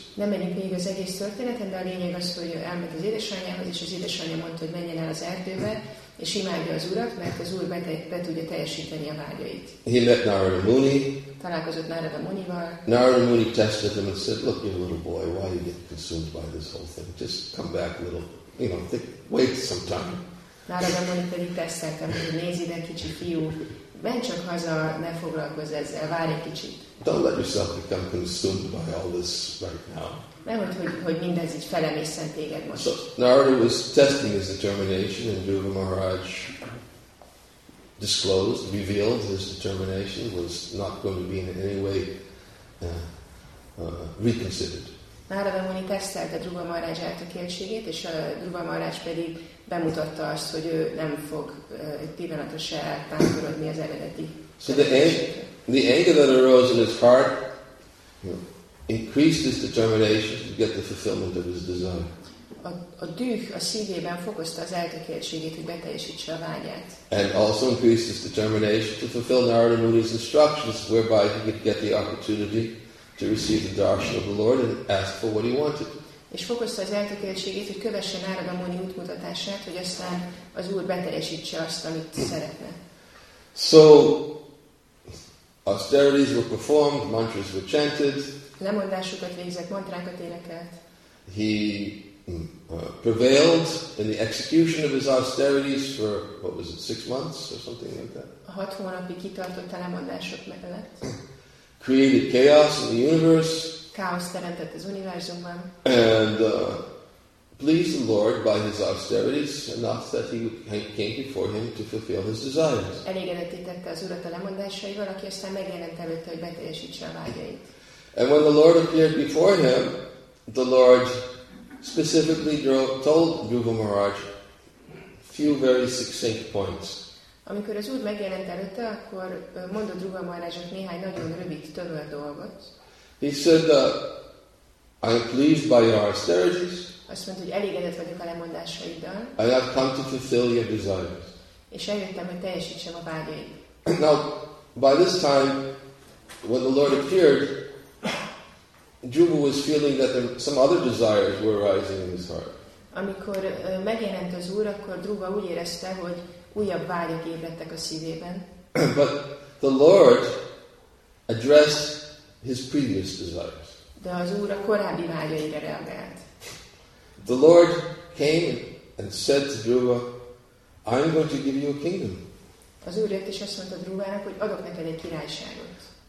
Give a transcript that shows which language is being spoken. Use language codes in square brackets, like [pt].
[hu] Nem menjünk még az egész történeten, de a lényeg az, hogy elment az édesanyjához, és az édesanyja mondta, hogy menjen el az erdőbe, és imádja az Urat, mert az Úr be tudja teljesíteni a vágyait. [en] He met Narada Muni. [hu] Találkozott Narada Munival. [en] Narada Muni tested him and said, look, you little boy, why are you getting consumed by this whole thing? Just come back a little, you know, think, wait some time. [hu] Narada Muni pedig teszteltem, hogy nézz ide, kicsi fiú, menj csak haza, ne foglalkozz ezzel, várj egy kicsit. [en] Don't let yourself become consumed by all this right now. [hu] Nehogy, hogy mindez így felemészen téged most. [en] So Narada was testing his determination and Dhruva Maharaj disclosed, revealed his determination was not going to be in any way reconsidered. [hu] Narada Muni tesztelte Dhruva Maharaj eltökéltségét, és Dhruva Maharaj pedig bemutatta azt, hogy ő nem fog egy pillanatra se eltántorodni az eredeti. [en] So the anger that arose in his heart, increased his determination to get the fulfillment of his desire. [hu] A düh a szívében fokozta az eltökéltségét, hogy beteljesítse a vágyát. [en] And also increased his determination to fulfill Narada Muni's instructions, whereby he could get the opportunity to receive the darshan of the Lord and ask for what he wanted. [hu] És fokozta az eltökéltségét, hogy kövesse Narada Muni útmutatását, hogy aztán az Úr beteljesítse azt, amit szeretne. [en] So, austerities were performed, mantras were chanted. [hu] Lemondásokat végzett, mantrákat énekelt. [en] He prevailed in the execution of his austerities for, what was it, 6 months or something like that? [hu] A 6 hónapig kitartott a lemondások mellett. [en] Created chaos in the universe. [hu] Káoszt teremtett az univerzumban. [en] And pleased the Lord by his austerities enough that he came before him to fulfill his desires. [hu] Elégedetté tette az Urat a lemondásaival, aki aztán megjelent előtte, hogy beteljesítse a vágyait. [en] And when the Lord appeared before him, the Lord specifically told Dhruva Maharaj a few very succinct points. [hu] Amikor az Úr megjelent előtte, akkor mondott Dhruva Maharajnak néhány nagyon rövid, tömör dolgot. [en] He said, I am pleased by your austerities. [hu] Azt mondta, hogy elégedett vagyok a lemondásaiddal. [en] I have come to fulfill your desires. [hu] És eljöttem, hogy teljesítsem a vágyaid. [en] Now, by this time, when the Lord appeared, Dhruva was feeling that some other desires were rising in his heart. [hu] Amikor megjelent az Úr, akkor Dhruva úgy érezte, hogy újabb vágyak ébredtek a szívében. [en] But the Lord addressed his previous desires. [hu] De az Úr a korábbi vágyaira reagált. [en] The Lord came and said to Dhruva, I'm going to give you a kingdom. [hu] Az Úr jött és azt mondta Dhruvának, hogy adok neked egy királyságot.